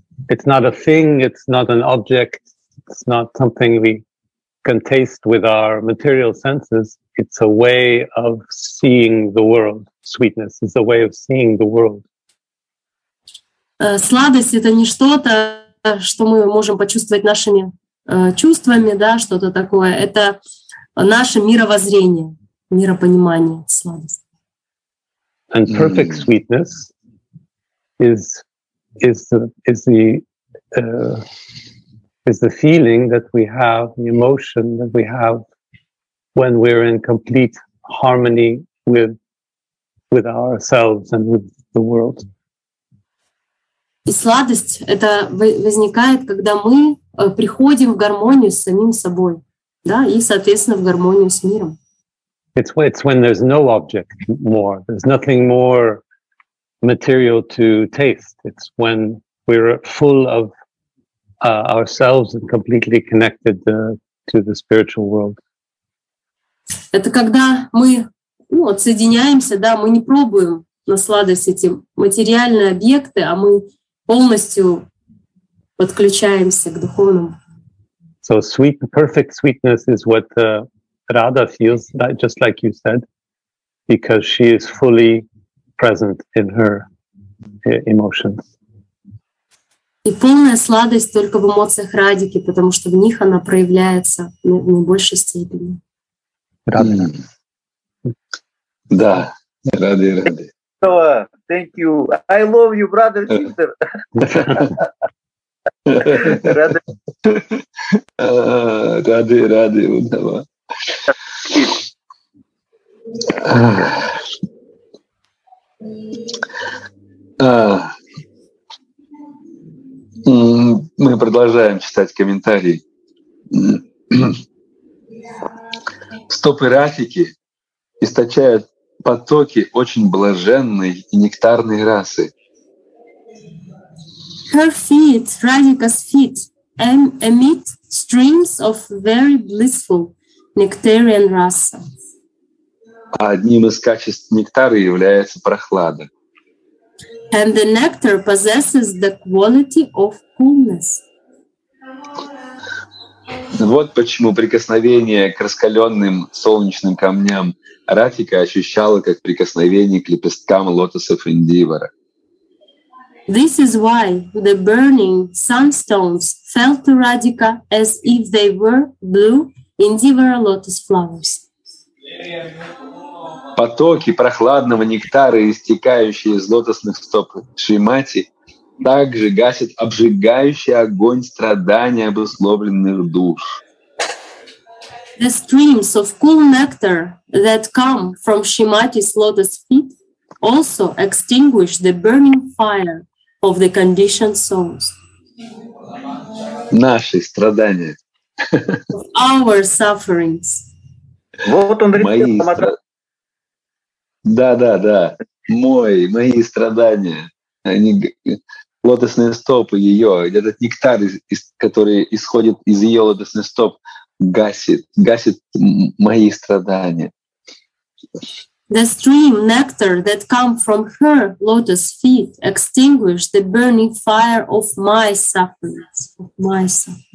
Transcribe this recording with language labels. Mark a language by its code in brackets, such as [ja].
[en] It's not a thing, it's not an object, it's not something we can taste with our material senses. It's a way of seeing the world. Sweetness is a way of seeing the world. [ru] Сладость — это не что-то, что мы можем почувствовать нашими чувствами, да, что-то такое. Это наше мировоззрение, миропонимание, сладость. [en] And perfect sweetness is the feeling that we have, the emotion that we have when we're in complete harmony with ourselves and with the world. [ru] И сладость это возникает, когда мы приходим в гармонию с самим собой. Да, и, соответственно, в гармонию с миром. [en] It's when there's no object more. There's nothing more material to taste. It's when we're full of ourselves and completely connected to the spiritual world. [ru] Это когда мы отсоединяемся, да, мы не пробуем на сладость эти материальные объекты, а мы полностью подключаемся к духовному. [en] So sweet, perfect sweetness is what Radha feels, just like you said, because she is fully present in her emotions. [ru] И полная сладость только в эмоциях Радики, потому что в них она проявляется в наибольшей степени. Рады. Да, рады, рады. [en] Thank you. I love you, brother, sister. [ru] Рады. Рады, рады. Мы продолжаем читать комментарии. Стопы Рафики источают потоки очень блаженной и нектарной расы. [en] Her feet, Radhika's feet, emit streams of very blissful nectarian rasa. [ru] Одним из качеств нектара является прохлада. [en] And the nectar possesses the quality of coolness. [ru] Вот почему прикосновение к раскаленным солнечным камням Радхика ощущала как прикосновение к лепесткам лотосов Индивара. [en] This is why the burning sunstones felt to Radhika as if they were blue indivara lotus flowers. [ru] Потоки прохладного нектара, истекающие из лотосных стоп Шримати, также гасят обжигающий огонь страдания обусловленных душ. [en] The streams of cool nectar that come from Shrimati's lotus feet also extinguish the burning fire of the conditioned souls. [ru] Наши страдания. [en] Our sufferings. [ru] Вот он мои страдания. Да. Мои страдания. Они лотосные стопы ее. Этот нектар, который исходит из ее лотосных стоп, гасит мои страдания. [en] The stream nectar that come from her lotus feet extinguish the burning fire of my sufferings.